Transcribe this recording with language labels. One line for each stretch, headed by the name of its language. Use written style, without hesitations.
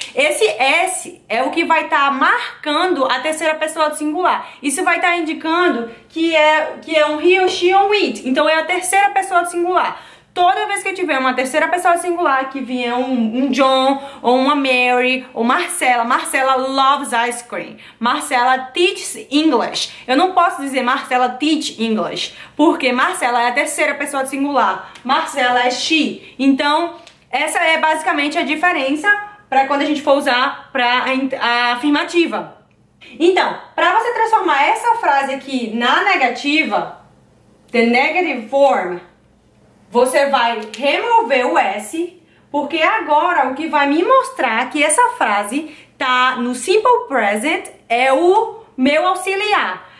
Portuguese: Esse S é o que vai estar marcando a terceira pessoa do singular. Isso vai estar indicando que é um he, she ou it. Então, é a terceira pessoa do singular. Toda vez que eu tiver uma terceira pessoa singular, que vier um John, ou uma Mary, ou Marcela.
English: Marcela loves ice cream. Marcela teaches English.
Portuguese: Eu não posso dizer
English: Marcela teach English,
Portuguese: porque Marcela é a terceira pessoa singular. Marcela é she. Então, essa é basicamente a diferença para quando a gente for usar para a afirmativa. Então, para você transformar essa frase aqui na negativa,
English: the negative form,
Portuguese: você vai remover o S, porque agora o que vai me mostrar que essa frase tá no simple present é o meu auxiliar.